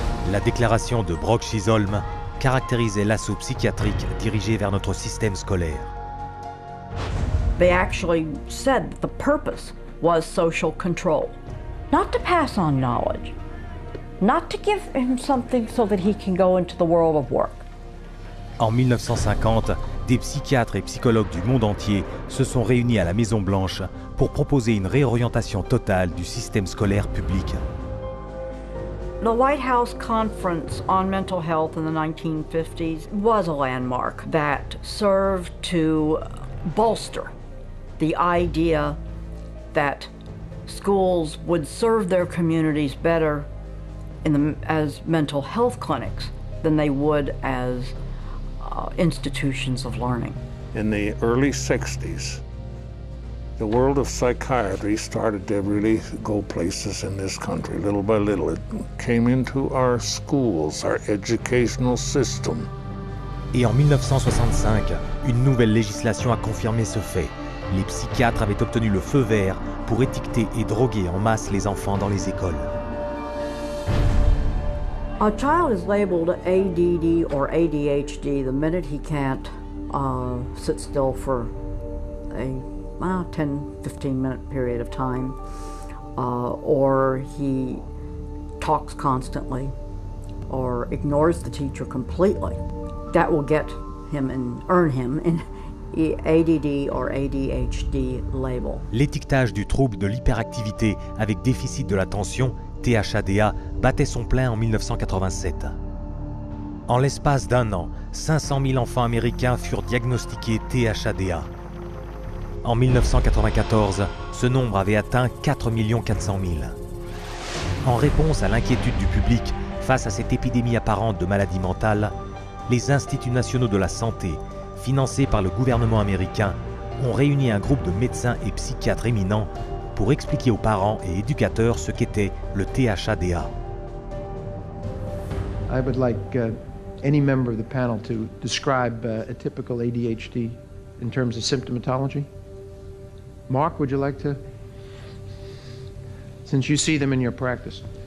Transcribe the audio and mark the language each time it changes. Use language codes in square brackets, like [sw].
[fr] La déclaration de Brock Chisholm caractérisait l'assaut psychiatrique dirigé vers notre système scolaire. [en] They actually said that the purpose was social control. Not to pass on knowledge, not to give him something so that he can go into the world of work. [fr] En 1950, des psychiatres et psychologues du monde entier se sont réunis à la Maison Blanche pour proposer une réorientation totale du système scolaire public. [en] The White House Conference on Mental Health in the 1950s was a landmark that served to bolster the idea that schools would serve their communities better in the, as mental health clinics than they would as institutions of learning. In the early 60s, the world of psychiatry started to really go places in this country, little by little. It came into our schools, our educational system. [fr] Et en 1965, une nouvelle législation a confirmé ce fait. Les psychiatres avaient obtenu le feu vert pour étiqueter et droguer en masse les enfants dans les écoles. [en] A child is labeled ADD or ADHD the minute he can't sit still for a 10-15 minute period of time, or he talks constantly or ignores the teacher completely. That will get him and earn him in ADD or ADHD label. [fr] L'étiquetage du trouble de l'hyperactivité avec déficit de l'attention, THADA, battait son plein en 1987. En l'espace d'un an, 500 000 enfants américains furent diagnostiqués THADA. En 1994, ce nombre avait atteint 4 400 000. En réponse à l'inquiétude du public face à cette épidémie apparente de maladie mentale, les Instituts nationaux de la santé, financés par le gouvernement américain, ont réuni un groupe de médecins et psychiatres éminents pour expliquer aux parents et éducateurs ce qu'était le THADA. [en] I would like any member of the panel to describe a typical ADHD in terms of symptomatology. Mark, would you like to? Since you see them in your practice.